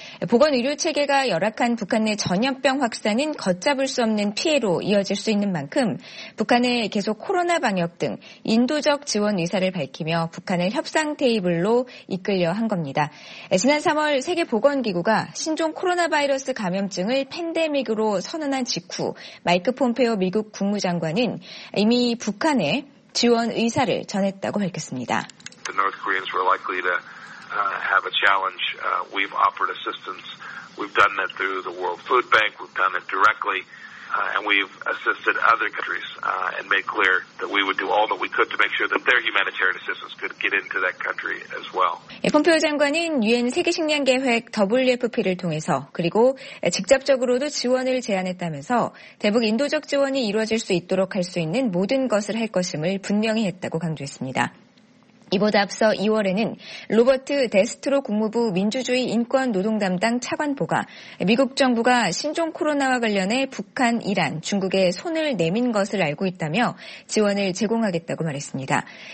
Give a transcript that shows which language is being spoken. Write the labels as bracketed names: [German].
[Korean] 보건의료체계가 열악한 북한 내 전염병 확산은 걷잡을 수 없는 피해로 이어질 수 있는 만큼 북한에 계속 코로나 방역 등 인도적 지원 의사를 밝히며 북한을 협상 테이블로 이끌려 한 겁니다. 지난 3월 세계보건기구가 신종 코로나 바이러스 감염증을 팬데믹으로 선언한 직후 마이크 폼페오 미국 국무장관은 이미 북한에 지원 의사를 전했다고 밝혔습니다. [English] The North Koreans were likely to have a challenge. We've offered assistance. We've done that through the World Food Bank. We've done it directly. And we've assisted other countries and made clear that we would do all that we could to make sure that their humanitarian assistance could get into that country as well. [Korean] 폼페오 장관은 유엔 세계식량계획 WFP를 통해서 그리고 직접적으로도 지원을 제안했다면서 대북 인도적 지원이 이루어질 수 있도록 할 수 있는 모든 것을 할 것임을 분명히 했다고 강조했습니다. 이보다 앞서 2월에는 로버트 데스트로 국무부 민주주의 인권 노동 담당 차관보가 미국 정부가 신종 코로나와 관련해 북한, 이란, 중국에 손을 내민 것을 알고 있다며 지원을 제공하겠다고 말했습니다.